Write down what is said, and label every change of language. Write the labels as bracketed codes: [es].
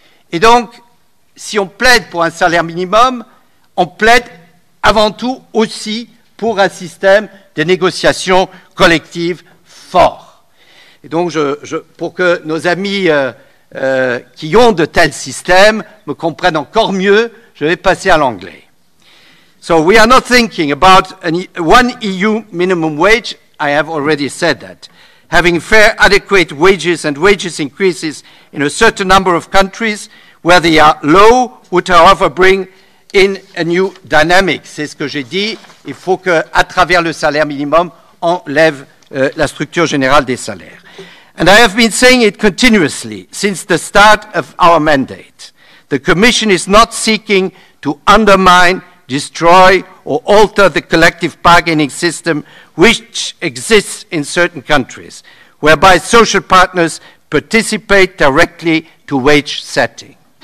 [fr] Et donc, si on plaide pour un salaire minimum, on plaide avant tout aussi pour un système de négociations collectives fort. Et donc, pour que nos amis qui ont de tels systèmes me comprennent encore mieux, je vais passer à l'anglais. [en] So we are not thinking about one EU minimum wage. I have already said that. Having fair, adequate wages and wages increases in a certain number of countries where they are low would, however, bring in a new dynamic. [fr] C'est ce que j'ai dit. Il faut qu'à travers le salaire minimum, on lève la structure générale des salaires. [en] And I have been saying it continuously since the start of our mandate. The Commission is not seeking to undermine, destroy, or alter the collective bargaining system which exists in certain countries, whereby social partners participate directly to wage setting.